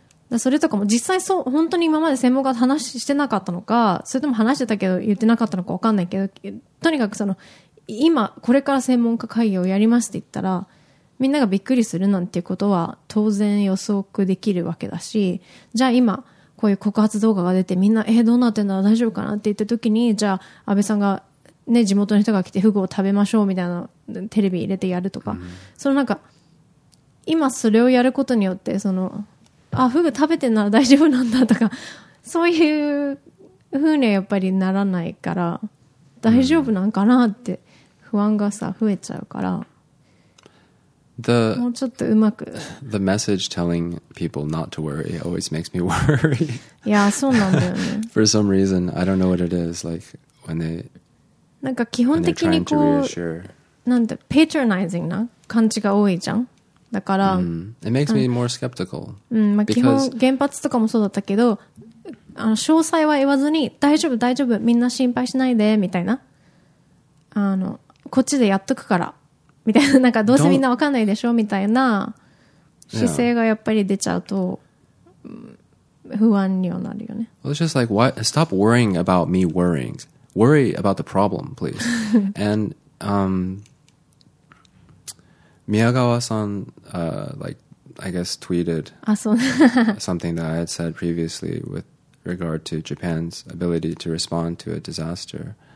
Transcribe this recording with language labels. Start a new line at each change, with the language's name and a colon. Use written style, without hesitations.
Japanese: だそれとかも実際そう本当に今まで専門家と話してなかったのか、それとも話してたけど言ってなかったのか分かんないけど、とにかくその今これから専門家会議をやりますって言ったらみんながびっくりするなんていうことは当然予測できるわけだし、じゃあ今こういう告発動画が出てみんな、どうなってんだ、大丈夫かなって言った時に、じゃあ安倍さんがね、地元の人が来てフグを食べましょうみたいなテレビ入れてやるとか、うん、そのなんか今それをやることによってそのあフグ食べてんなら大丈夫なんだとか、そういう風にはやっぱりならないから大丈夫なんかなって不安がさ増えちゃうから、 the, もうちょっとうまく
English: The message telling people not to worry always makes me worry.
Japanese: いやそうなんだよね。
English: For some reason I don't know what it is, like when they
Japanese: なんか基本的にこうなんてパトロナイズな感じが多いじゃん。だから、
English: It makes me more skeptical.
Japanese: まあ、基本原発とかもそうだったけど、あの詳細は言わずに大丈夫大丈夫みんな心配しないでみたいな、あのこっちでやっとくからみたいな、なんかどうせみんな分かんないでしょみたいな姿勢がやっぱり出ちゃうと、不安にはなるよね。
English: Well, it's just like why stop worrying about me worrying. Worry about the problem, please. And Miyagawa-san, like, I guess, tweeted something that I had said previously with regard to Japan's ability to respond to a disaster.